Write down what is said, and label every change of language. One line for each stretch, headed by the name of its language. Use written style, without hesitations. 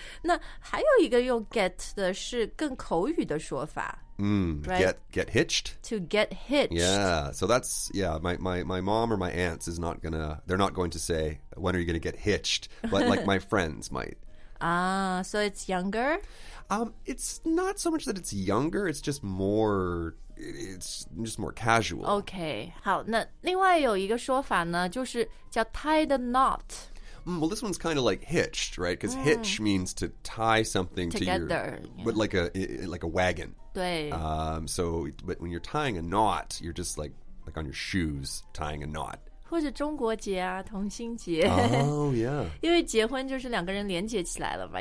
Chinese: 那还有一个用 get 的是更口语的说法。
English: Right? Get hitched. To get hitched. Yeah. So that's, yeah, my mom or my aunts is not gonna, they're not going to say, when are you gonna get hitched? But like my friends might. Ah, so it's younger? It's not so much that it's younger, it's just more... It's just more casual.
Chinese: Okay, 好，那另外有一个说法呢，就是叫
English: tie the knot. Well, this one's kind of like hitched, right? Because hitch means to tie something together, but like a wagon.
Chinese: 对。
English: So, but when you're tying a knot, you're just like on your shoes tying a knot.
Chinese: 或者中国节啊，同心节。
English: Oh yeah.
Chinese: 因为结婚就是两个人连接起来了吧？